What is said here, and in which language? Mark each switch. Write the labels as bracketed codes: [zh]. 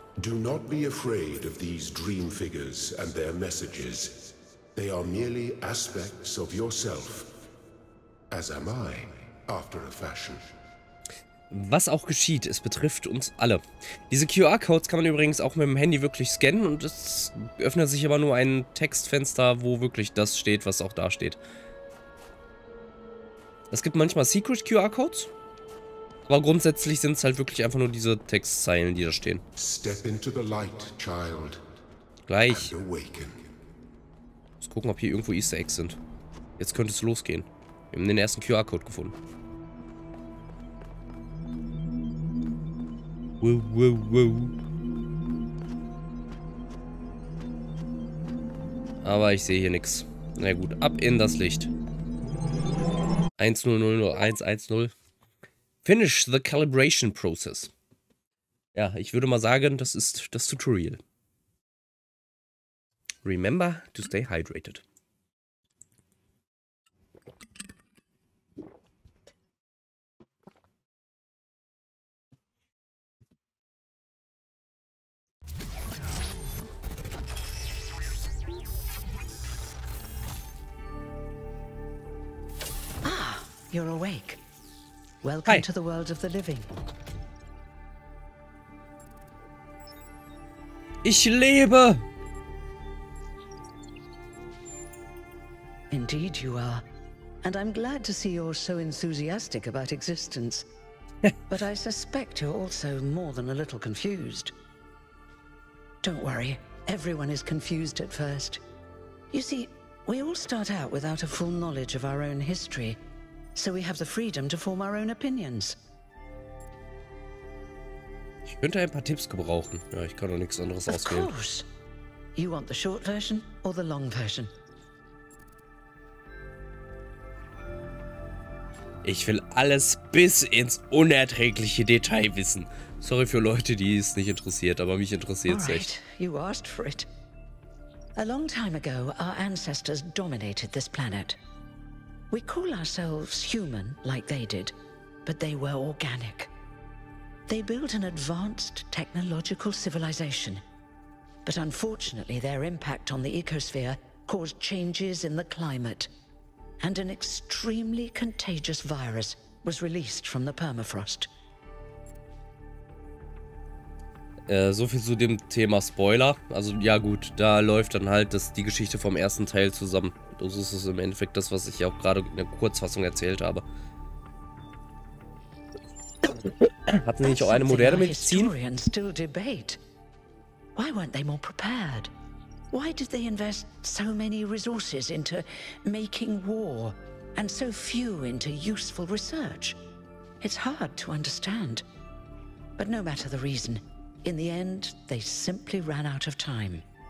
[en] Do not be afraid of these dream figures and their messages. They are merely aspects of yourself. As am I, after a fashion. [de] Was auch geschieht, es betrifft uns alle. Diese QR-Codes kann man übrigens auch mit dem Handy wirklich scannen und es öffnet sich aber nur ein Textfenster, wo wirklich das steht, was auch da steht. Es gibt manchmal Secret QR-Codes. Aber grundsätzlich sind es halt wirklich einfach nur diese Textzeilen, die da stehen. [en] Step into the light, child. [de] Gleich. Mal gucken, ob hier irgendwo Easter Eggs sind. Jetzt könnte es losgehen. Wir haben den ersten QR-Code gefunden. Wow, wow, wow. Aber ich sehe hier nichts. Na gut, ab in das Licht. 1-0-0-0-1-1-0. [en] Finish the calibration process. [de] Ja, ich würde mal sagen, das ist das Tutorial. [en] Remember to stay hydrated. Ah, you're awake. Welcome Hi. To the world of the living. [de] Ich lebe! [en] Indeed you are. And I'm glad to see you're so enthusiastic about existence. But I suspect you're also more than a little confused. Don't worry, everyone is confused at first. You see, we all start out without a full knowledge of our own history. So we have the freedom to form our own opinions. [de] Ich könnte ein paar Tipps gebrauchen. Ja, ich kann doch nichts anderes auswählen. [en] Of course. You want the short version or the long version? [de] Ich will alles bis ins unerträgliche Detail wissen. Sorry für Leute, die es nicht interessiert, aber mich interessiert es echt. [en] You asked for it. A long time ago, our ancestors dominated this planet. We call ourselves human, like they did, but they were organic. They built an advanced technological civilization. But unfortunately, their impact on the ecosphere caused changes in the climate. And an extremely contagious virus was released from the permafrost. [de] So viel zu dem Thema Spoiler. Also ja gut, da läuft dann halt das, die Geschichte vom ersten Teil zusammen. Das ist im Endeffekt das, was ich auch gerade in der Kurzfassung erzählt habe. Hatten sie nicht auch eine moderne Medizin? [en] Why weren't they more prepared? Why did they invest so many resources into making war and so few into useful research? It's hard to understand. But no matter the reason, in the end, they simply ran out of time.